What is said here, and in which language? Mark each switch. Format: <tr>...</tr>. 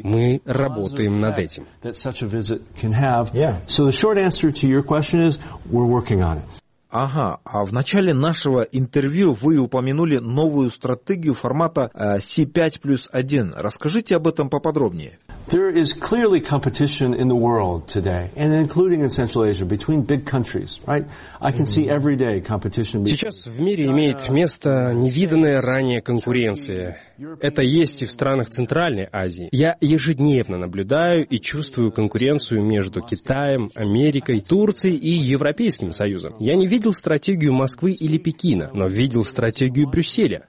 <ru>Мы работаем над этим. Ага, а в начале нашего интервью вы упомянули новую стратегию формата C5+1. Расскажите об этом поподробнее.</ru> <en>There is clearly competition in the world today, and including in Central Asia, between big countries, right? I can see every day competition.</en> <ru>Сейчас в мире имеет место невиданная ранее конкуренция. Это есть и в странах Центральной Азии. Я ежедневно наблюдаю и чувствую конкуренцию между Китаем, Америкой, Турцией и Европейским Союзом. Я не видел стратегию Москвы или Пекина, но видел стратегию Брюсселя.</ru>